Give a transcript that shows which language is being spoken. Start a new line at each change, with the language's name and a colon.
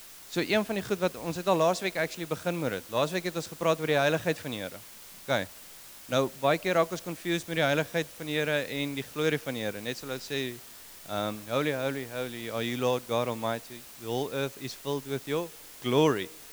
Afrikaans: So een van die goed wat ons het al laasweek actually begin met dit. Laasweek het ons gepraat oor die heiligheid van die Here. OK. Nou baie keer raak ons confused met die heiligheid van die Here en die glorie van die Here. Net soos hulle sê,
English: Holy, holy, holy are you, Lord God Almighty. The whole earth is filled with your glory.